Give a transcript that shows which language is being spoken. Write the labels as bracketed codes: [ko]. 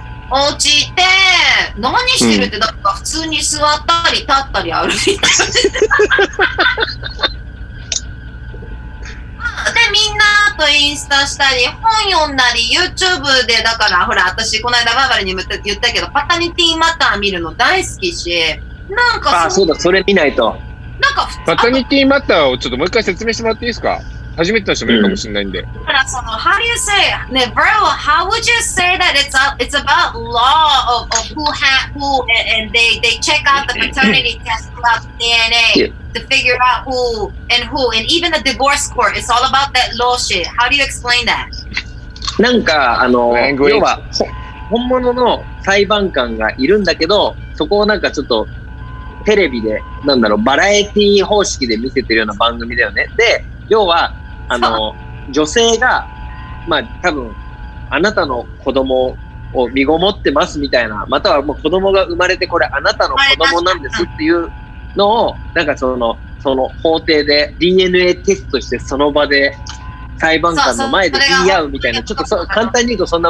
[ja] お家行って何してるって、うん、だから普通に座ったり立ったり歩いてるで、みんなとインスタしたり、本読んだり、YouTube で、だから、ほら、私、この間、バーバルに言ったけど、パタニティマター見るの大好きし、なんか、あ、そうだ、それ見ないと。なんか、パタニティマターをちょっともう一回説明してもらっていいですか初めての人もいるかもしれないんで。うん、だから、その、 [en] How do you say, ね、Bro, how would you say that it's about law of who had who, and they check out the paternity test about DNA? To figure out who and who, and even the divorce court, it's all about that law shit. How do you explain that? [ja] なんか、要は、本物の裁判官がいるんだけど、そこをなんかちょっと、テレビで、なんだろう、バラエティ方式で見せてるような番組だよね。で、要は、女性が、まあ、多分、あなたの子供を、身ごもってますみたいな、またはもう子供が生まれて、これあなたの子供なんですっていうのを、なんかその法廷で DNA テストしてその場で裁判官の前で言い合うみたいな、ちょっと簡単に言うとそんな